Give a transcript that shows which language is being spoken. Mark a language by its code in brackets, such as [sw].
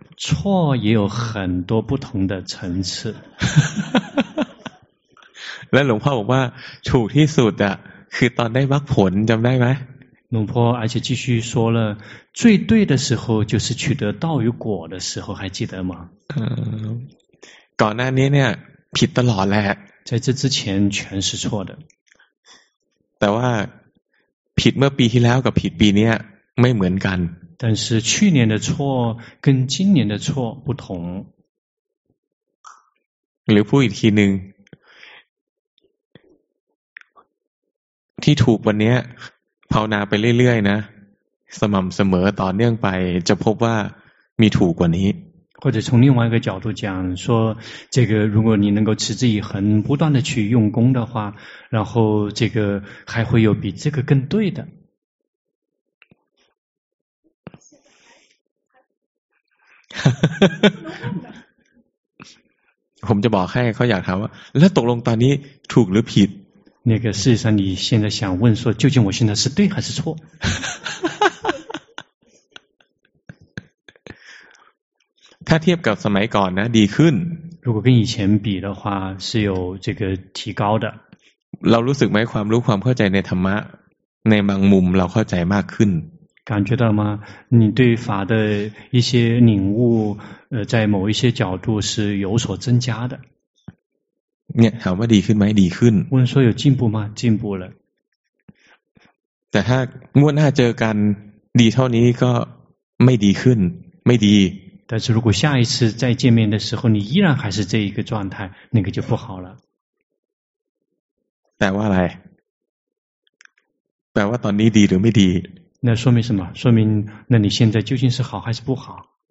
[zh] 错也有很多不同的层次 [th] และหลวงพ่อบอกว่าถูกที่สุดอะคือตอนได้มรรคผลจำได้ไหม [zh] 龙婆而且继续说了，最对的时候就是取得道与果的时候，还记得吗？ [th] ก่อนหน้านี้เนี่ยผิดตลอดแหละ [zh] 在这之前全是错的 [th] แต่ว่าผิดเมื่อปีที่แล้วกับผิดปีนี้ไม่เหมือนกัน [zh] 但是去年的错跟今年的错不同 [th] หรือพูดอีกทีหนึ่งที่ถูกวันนี้ภาวนาไปเรื่อยๆนะสม่ำเสมอต่อเนื่องไปจะพบว่ามีถูกกว่านี้ [zh] 或者从另外一个角度讲说这个如果你能够持之以恒不断的去用功的话然后这个还会有比这个更对的我们就保开靠雅谈吧那懂了当你处理了品那个事实上你现在想问说究竟我现在是对还是错 [th] ถ้าเทียบกับสมัยก่อนนะดีขึ้น [zh] 如果跟以前比的话是有这个提高的 [th] เรารู้สึกไหมความรู้ความเข้าใจในธรรมะในบางมุมเราเข้าใจมากขึ้น [zh] 感觉到吗你对法的一些领悟在某一些角度是有所增加的 [th] เนี่ยถามว่าดีขึ้นไหมดีขึ้น [zh] 问说有进步吗进步了 [th] แต่ถ้างวดหน้าเจอกันดีเท่านี้ก็ไม่ดีขึ้นไม่ดี แต่ [zh] 如果下一次再见面的时候你依然还是这一个状态那个就不好了 [th] แปลว่าอะไรแปลว่าตอนนี้ดีหรือไม่ดี [zh] 那说明什么说明那你现在究竟是好还是不好